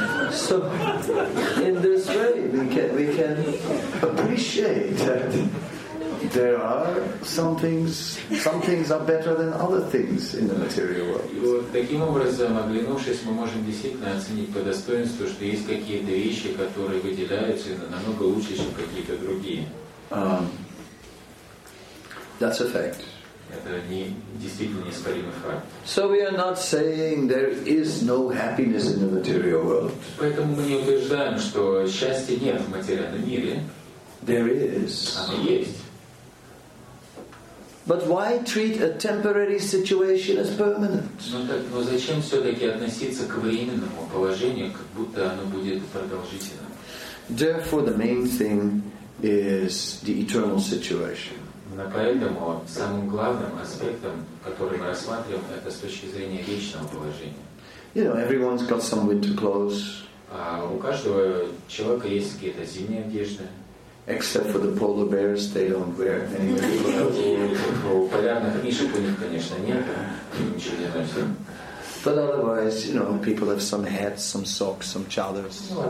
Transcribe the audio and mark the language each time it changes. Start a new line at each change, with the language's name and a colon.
English: So, in this way, we can appreciate that there are some things are better than other things in the material world.
Russian: Таким образом, оглянувшись, мы можем действительно оценить по достоинству, что есть какие-то вещи, которые выделяются намного лучше, чем какие-то другие.
English: That's a fact.
Russian: Это действительно неоспоримый факт.
English: So we are not saying there is no happiness in the material world.
Russian: Поэтому мы не утверждаем, что счастья нет в материальном мире.
English: There is.
Russian: Оно есть.
English: But why treat a temporary situation as permanent?
Russian: Но зачем все-таки относиться к временному положению, как будто оно будет продолжительным?
English: Therefore, the main thing is the eternal situation.
Russian: Поэтому самым главным аспектом, который мы рассматриваем, это с точки зрения вечного положения.
English: You know, everyone's got some winter clothes.
Russian: У каждого человека есть какие-то зимние одежды.
English: Except for the polar bears, they don't wear any winter clothes. But otherwise, you know, people have some hats, some socks, some chadors.